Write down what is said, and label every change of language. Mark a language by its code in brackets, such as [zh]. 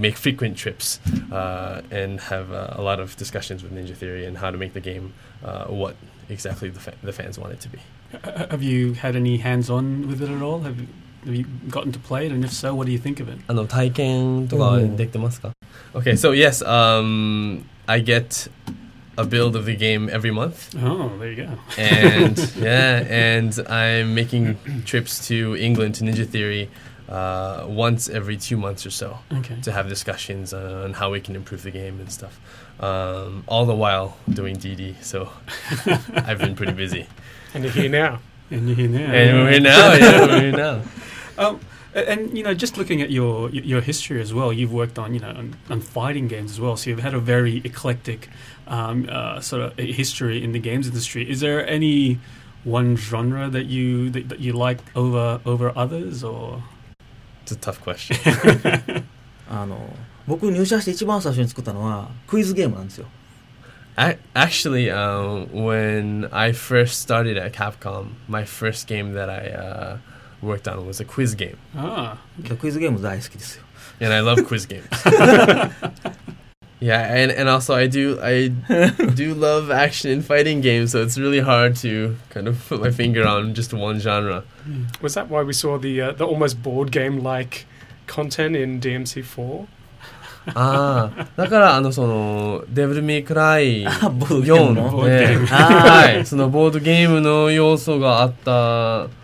[en] make frequent trips and have a lot of discussions with Ninja Theory and how to make the game what exactly the fans want it to be. Have you had any hands-on with it at all? Have you gotten to play it? And if so, what do you think of it? [ja] あの、体験とかできてますか? [en] Okay, so yes, I get a build of the game every month. Oh, there you go. And yeah, and I'm making trips to England to Ninja Theory once every 2 months or so. Okay. To have discussions on how we can improve the game and stuff. All the while doing DD, so I've been pretty busy. And you're here now. And you're here now. And we're here now. Yeah, we're here now. And you know, just looking at your history as well, you've worked on, you know, on fighting games as well. So you've had a very eclectic sort of history in the games industry. Is there any one genre that you that you like over others, or? It's a tough question. [ja] あの僕入社して一番最初に作ったのはクイズゲームなんですよ。 [en] Actually, when I first started at Capcom, my first game that I worked on was a quiz game. Ah, the quiz game was [ja] 大好きですよ. [en] And I love quiz games. Yeah, and also I do love action and fighting games, so it's really hard to kind of put my finger on just one genre. Was that why we saw the almost board game like content in DMC4? [ja] ああ、だからあのそのデブルメイクライ4のボードゲームの要素があった。